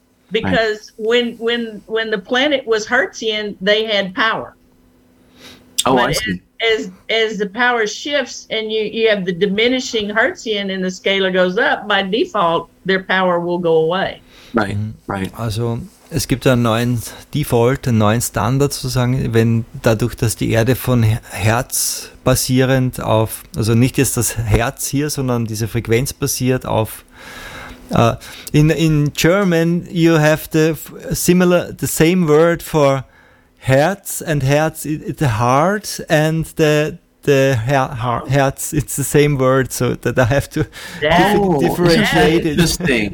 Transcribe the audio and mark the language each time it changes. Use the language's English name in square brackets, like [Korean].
[English] Because when the planet was Hertzian, they had power. Oh, I But see. as the power shifts and you have the diminishing Hertzian and the scalar goes up, by default, their power will go away. [German] Also, es gibt einen neuen Default, einen neuen Standard sozusagen, wenn dadurch, dass die Erde von Hertz basierend auf, also nicht jetzt das Herz hier, sondern diese Frequenz basiert auf. [English] In German, you have the same word for Herz and Herz, the heart and the Herz, it's the same word, so that I have to differentiate That's interesting.